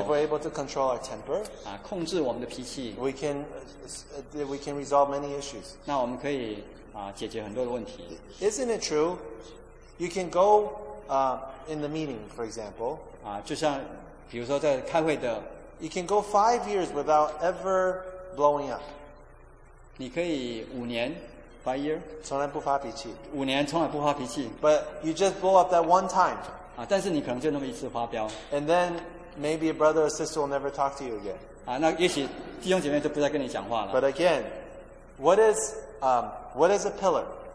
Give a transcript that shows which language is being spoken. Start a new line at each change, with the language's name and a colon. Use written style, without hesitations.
English: if we're able to control our temper,
Chinese: 啊，控制我们的脾气，
English: we can resolve many issues.
Chinese: 那我们可以啊，解决很多的问题。
English: Isn't it true? You can go in the meeting, for example.
Chinese: 啊，就像比如说在开会的，
English: you can go 5 years without ever blowing up.
Chinese: 你可以五年。从来不发脾气，五年从来不发脾气。
English: But you just blow up that one time.
Chinese: 啊，但是你可能就那么一次发飙。
English: And then maybe a brother or sister will never talk to you again.
Chinese: 啊，那也许弟兄姐妹就不再跟你讲话了。
English: But again, what is a pillar?